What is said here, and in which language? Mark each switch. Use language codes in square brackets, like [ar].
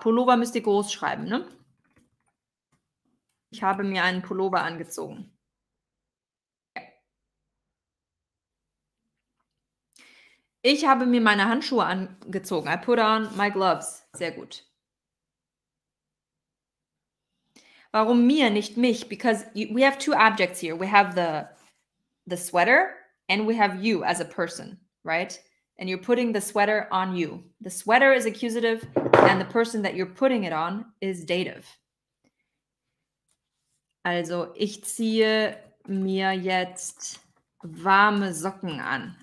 [de] Pullover müsst ihr groß schreiben, ne? Ich habe mir einen Pullover angezogen. Ja. Ich habe mir meine Handschuhe angezogen. [en] I put on my gloves. [de] Sehr gut. Warum mir, nicht mich? [en] Because we have two objects here. We have the sweater and we have you as a person, right? And you're putting the sweater on you. The sweater is accusative and the person that you're putting it on is dative. [de] Also, ich ziehe mir jetzt warme Socken an.